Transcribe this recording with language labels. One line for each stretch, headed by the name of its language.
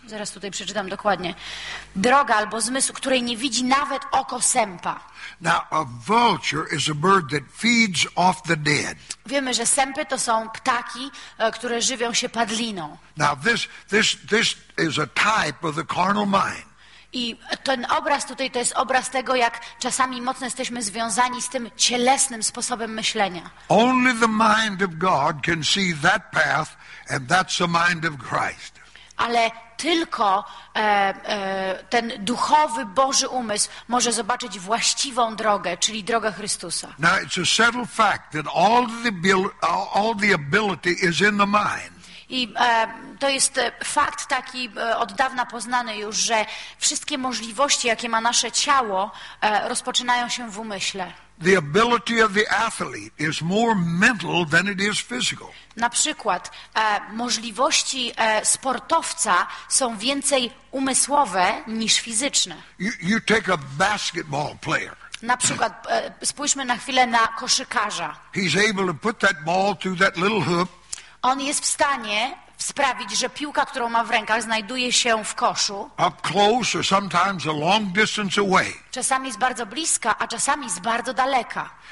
Polish: Zaraz tutaj przeczytam dokładnie. Droga albo zmysł, której nie widzi nawet oko sępa.
English: Now, a vulture is a bird that feeds off the dead.
Polish: Wiemy, że sępy to są ptaki, które żywią się padliną.
English: Now, this is a type of the carnal mind.
Polish: I ten obraz tutaj to jest obraz tego, jak czasami mocno jesteśmy związani z tym cielesnym sposobem myślenia.
English: Only the mind of God can see that path, and that's the mind of Christ.
Polish: Ale tylko ten duchowy Boży umysł może zobaczyć właściwą drogę, czyli drogę Chrystusa.
English: Now it's a settled fact that all the ability is in the mind.
Polish: I to jest fakt taki od dawna poznany już, że wszystkie możliwości, jakie ma nasze ciało, rozpoczynają się w umyśle.
English: The ability of the athlete is more mental than it is physical.
Polish: Na przykład możliwości sportowca są więcej umysłowe niż fizyczne.
English: You take a basketball player.
Polish: Na przykład spójrzmy na chwilę na koszykarza.
English: He's able to put that ball through that little hoop.
Polish: On jest w stanie sprawić, że piłka, którą ma w rękach, znajduje się w koszu.
English: Up close or sometimes a long distance away.
Polish: Czasami jest bardzo bliska, a czasami jest bardzo daleka.